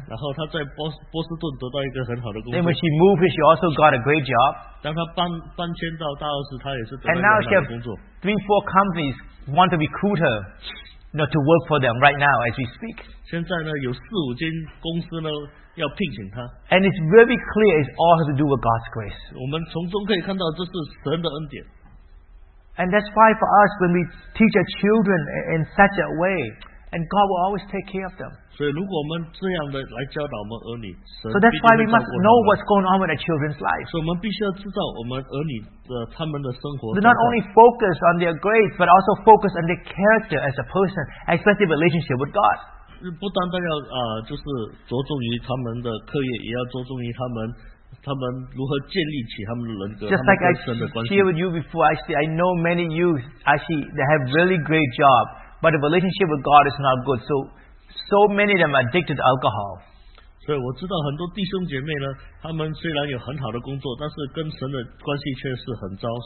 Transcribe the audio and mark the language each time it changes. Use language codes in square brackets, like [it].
[zh] 然后他在波士顿得到一个很好的工作。 [en] Then when she moved, she also got a great job. [zh] 当他搬迁到大都市，他也是得到很好的工作。 [en] And now she has 3-4 companies want to recruit her, to work for them right now as we speak. [zh] 现在呢，有4-5间公司呢。要聘请他。 [en] And it's very clear it's all to do with God's grace. [zh] 我们从中可以看到这是神的恩典。 [en] And that's why for us, when we teach our children in such a way, and God will always take care of them. [zh] 所以如果我们这样的来教导我们儿女，神必定会照顾他们。 [en] So that's why we must know what's going on with our children's life. [zh] 所以我们必须要知道我们儿女的他们的生活。 [en] They not only focus on their grades, but also focus on their character as a person, especially relationship with God. [zh] 不单单要就是着重于他们的课业，也要着重于他们如何建立起他们的人格，他们跟神的关系。 [en] Share with you before, actually, I know many youth actually they have really great job, but the relationship with God is not good. So many of them are addicted to alcohol. [zh] 所以我知道很多弟兄姐妹呢，他们虽然有很好的工作，但是跟神的关系却是很糟。